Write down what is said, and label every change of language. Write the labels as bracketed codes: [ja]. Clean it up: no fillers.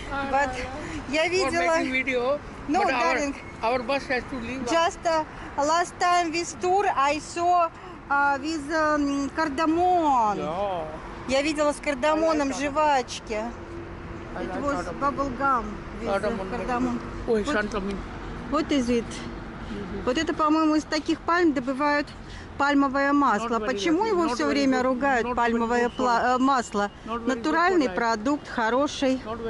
[ru] But я видела. [en] No, darling. Our bus has to leave. Just last time this tour I saw with cardamom. [ru] Я видела с кардамоном жвачки. [en] It was bubble gum with cardamom. [ru] Ой, шантамин. [en] What is it? [ru] Вот это, по-моему, из таких пальм добывают пальмовое масло. Почему его все время ругают пальмовое масло? Натуральный продукт, хороший.